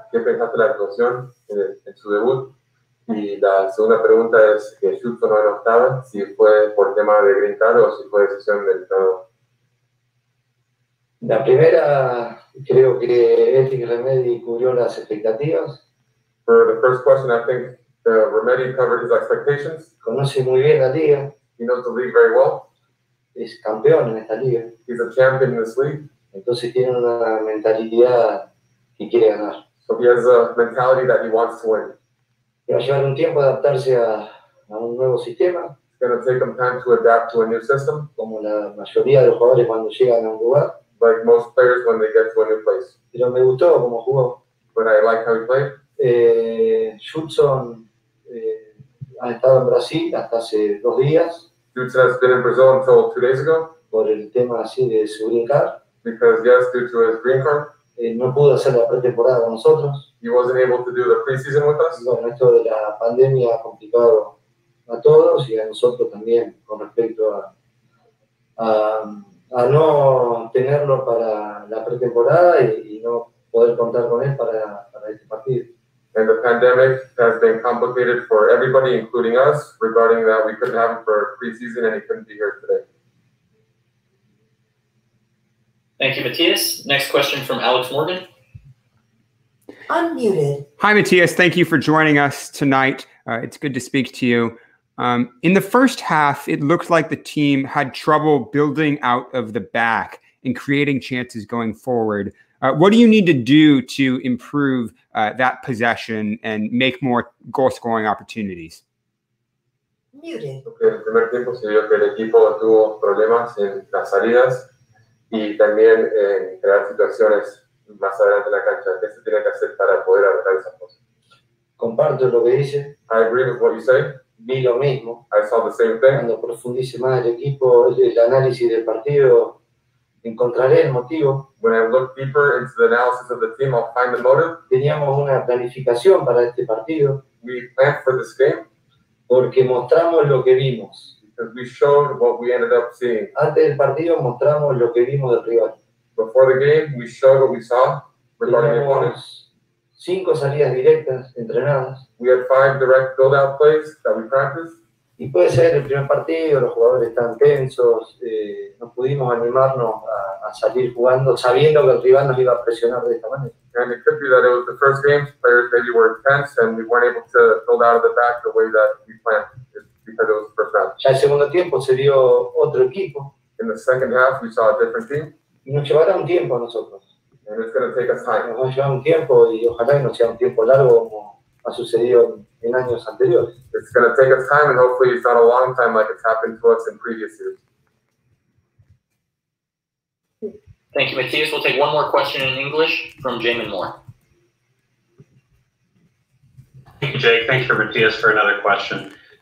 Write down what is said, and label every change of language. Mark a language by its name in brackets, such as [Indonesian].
[Spanish] ¿Qué pensaste de la actuación en su debut? Y la segunda pregunta es que Judson no estaba, si fue por tema de green card o si fue decisión del todo. La primera, creo que Eric Remedy cubrió las expectativas. [English] For the first question, I think Remedy covered his expectations. [Spanish] Conoce muy bien la liga. [English] He knows the league very well. [Spanish] Es campeón en esta liga. [English] He's a champion in this league. [Spanish] Entonces tiene una mentalidad que quiere ganar. [English] So he has a mentality that he wants to win. [Spanish] Y va a llevar un tiempo adaptarse a un nuevo sistema. [English] It's going to take him time to adapt to a new system. [Spanish] Como la mayoría de los jugadores cuando llegan a un lugar. [English] Like most players when they get to a new place. [Spanish] Pero me gustó como jugó. [English] But I like how he played. [Spanish] Judson ha estado en Brasil hasta hace 2 días. [English] Judson has been in Brazil until 2 days ago. [Spanish] Por el tema así de su green card. [English] Because, yes, due to his green card. [Spanish] No pudo hacer la pretemporada con nosotros. [English] He wasn't able to do the preseason with us. [Spanish] Bueno, esto de la pandemia ha complicado a todos y a nosotros también con respecto a no tenerlo para la pretemporada y no poder contar con él para este partido. [English] And the pandemic has been complicated for everybody, including us, regarding that we couldn't have him for preseason and he couldn't be here today. Thank you, Matias. Next question from Alex Morgan. Unmuted. Hi, Matias. Thank you for joining us tonight. It's good to speak to you. In the first half, it looked like the team had trouble building out of the back and creating chances going forward. What do you need to do to improve that possession and make more goal-scoring opportunities? Muted. [Spanish] Okay, el primer tiempo se vio que el equipo tuvo problemas en las salidas y también en crear situaciones. más adelante en la cancha? ¿Qué se tiene que hacer para poder arreglar esas cosas? Comparto lo que dice. [English] I agree with what you say. [Spanish] Vi lo mismo. [English] I saw the same thing. [Spanish] Cuando profundice más el equipo, el análisis del partido, encontraré el motivo. [English] When I look deeper into the analysis of the team, I'll find the motive. [Spanish] Teníamos una planificación para este partido. [English] We planned for this game. [Spanish] Porque mostramos lo que vimos. [English] Because we showed what we ended up seeing. [Spanish] Antes del partido mostramos lo que vimos del rival. [English] Before the game, we showed what we saw regarding the opponents. [Spanish] Cinco salidas directas entrenadas. [English] We had five direct build-out plays that we practiced. [Spanish] Y puede ser el primer partido, los jugadores están tensos, no pudimos animarnos a salir jugando sabiendo que el rival nos iba a presionar de esta manera. [English] And it could be that it was the first game, players maybe were tense and we weren't able to build out of the back the way that we planned because it was the first half. [Spanish] Ya el segundo tiempo se vio otro equipo. [English] In the second half we saw a different team. [Spanish] Y nos llevará un tiempo a nosotros. [English] And it's going to take us time. [Spanish] Nos va a llevar un tiempo y ojalá que no sea un tiempo largo como ha sucedido en años anteriores. [English] It's going to take us time and hopefully it's not a long time like it's happened to us in previous years. Thank you, Matias. We'll take one more question in English from Jamon Moore. Thank you, Jake. Thank you, Matias, for another question.